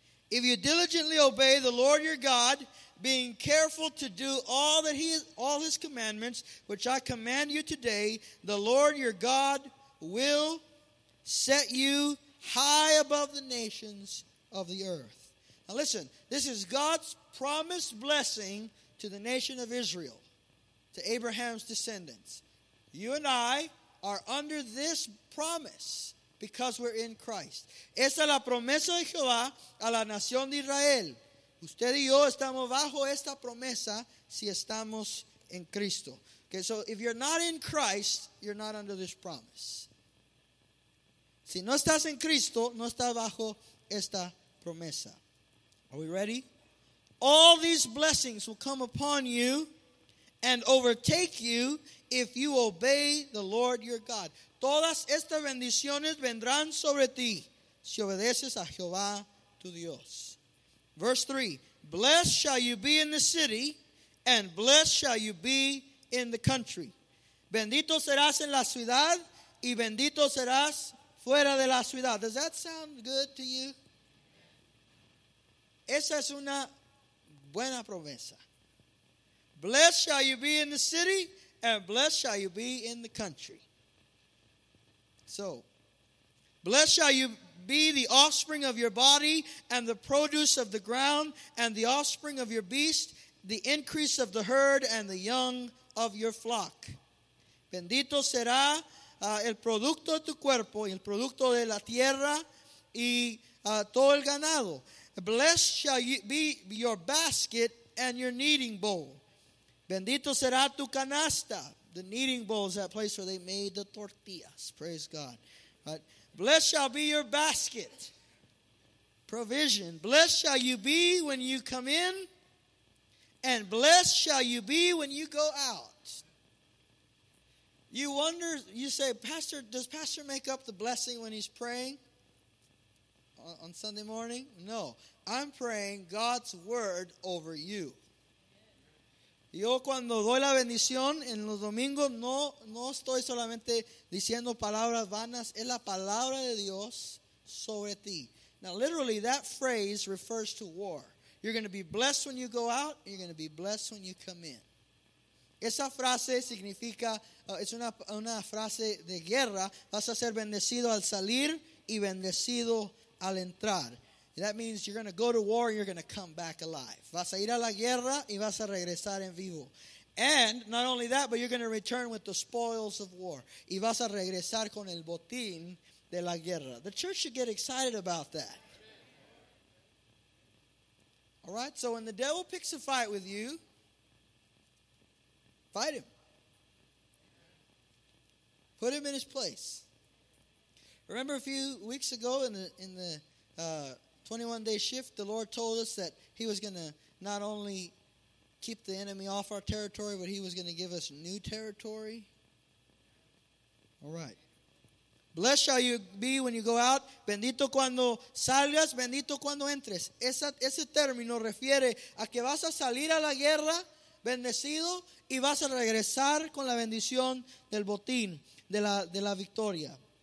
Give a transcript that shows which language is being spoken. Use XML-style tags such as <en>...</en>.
<en>If you diligently obey the Lord your God, being careful to do all his commandments, which I command you today, the Lord your God will set you high above the nations of the earth. Now listen, this is God's promised blessing to the nation of Israel, to Abraham's descendants. You and I are under this promise because we're in Christ.</en> <es>Esa es la promesa de Jehová a la nación de Israel. Usted y yo estamos bajo esta promesa si estamos en Cristo.</es> <en>Okay, so if you're not in Christ, you're not under this promise.</en> <es>Si no estás en Cristo, no estás bajo esta promesa.</es> <en>Are we ready? All these blessings will come upon you and overtake you if you obey the Lord your God.</en> <es>Todas estas bendiciones vendrán sobre ti si obedeces a Jehová tu Dios.</es> <en>Verse 3. Blessed shall you be in the city and blessed shall you be in the country.</en> <es>Bendito serás en la ciudad y bendito serás fuera de la ciudad.</es> <en>Does that sound good to you?</en> <es>Esa es una buena promesa.</es> <en>Blessed shall you be in the city, and blessed shall you be in the country. So, blessed shall you be the offspring of your body, and the produce of the ground, and the offspring of your beast, the increase of the herd, and the young of your flock.</en> <es>Bendito será el producto de tu cuerpo, y el producto de la tierra, y todo el ganado.</es> <en>Blessed shall you be your basket and your kneading bowl.</en> <es>Bendito será tu canasta.</es> <en>The kneading bowl is that place where they made the tortillas. Praise God. Right. Blessed shall be your basket. Provision. Blessed shall you be when you come in. And blessed shall you be when you go out. You wonder, you say, Pastor, does Pastor make up the blessing when he's praying on Sunday morning? No. I'm praying God's word over you.</en> <es>Yo cuando doy la bendición en los domingos, no estoy solamente diciendo palabras vanas, es la palabra de Dios sobre ti.</es> <en>Now, literally, that phrase refers to war. You're going to be blessed when you go out, and you're going to be blessed when you come in.</en> <es>Esa frase significa, es una frase de guerra. Vas a ser bendecido al salir y bendecido al entrar.</es> <en>That means you're going to go to war and you're going to come back alive.</en> <es>Vas a ir a la guerra y vas a regresar en vivo.</es> <en>And not only that, but you're going to return with the spoils of war.</en> <es>Y vas a regresar con el botín de la guerra.</es> <en>The church should get excited about that. All right? So when the devil picks a fight with you, fight him. Put him in his place. Remember a few weeks ago in the 21-day shift, the Lord told us that he was going to not only keep the enemy off our territory, but he was going to give us new territory. All right. Blessed shall you be when you go out.</en> <es>Bendito cuando salgas. Bendito cuando entres. Ese término refiere a que vas a salir a la guerra bendecido y vas a regresar con la bendición del botín, de la victoria.</es>